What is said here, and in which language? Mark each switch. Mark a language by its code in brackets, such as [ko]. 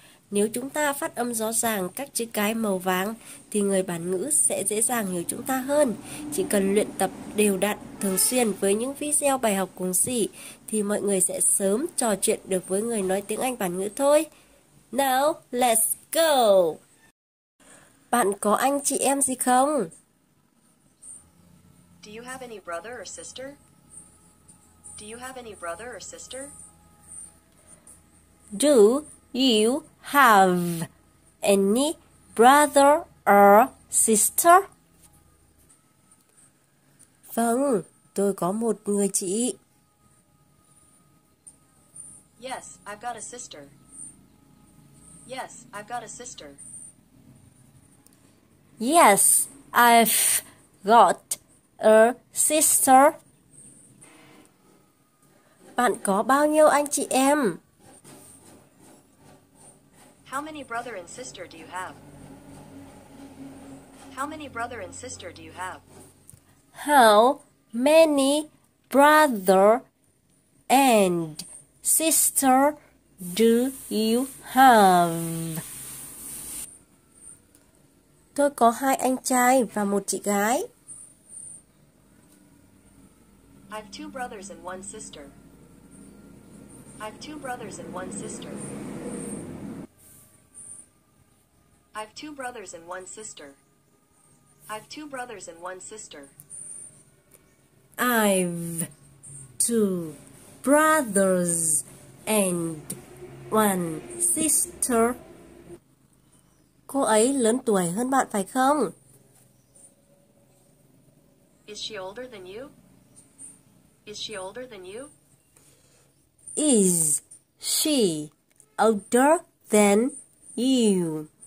[vi] Nếu chúng ta phát âm rõ ràng các chữ cái màu vàng thì người bản ngữ sẽ dễ dàng hiểu chúng ta hơn. Chỉ cần luyện tập đều đặn thường xuyên với những video bài học cùng dị thì mọi người sẽ sớm trò chuyện được với người nói tiếng Anh bản ngữ thôi. [en] Now, let's go! [vi] Bạn có anh chị em gì không? [en] Do you have any brother or sister? Do you have any brother or sister? Do you have any brother or sister? [vi] Vâng, tôi có một người chị. [en] Yes, I've got a sister. Yes, I've got a sister. Yes, I've got a sister. [vi] Bạn có bao nhiêu anh chị em? [en] How many brother and sister do you have? How many brother and sister do you have? How many brother and sister do you have? [vi] Tôi có hai anh trai và một chị gái. [en] I've two brothers and one sister. I've two brothers and one sister. I've two brothers and one sister. I've two brothers and one sister. I've two brothers and one sister. [vi] Cô ấy lớn tuổi hơn bạn phải không? [en] Is she older than you? Is she older than you? Is she older than you?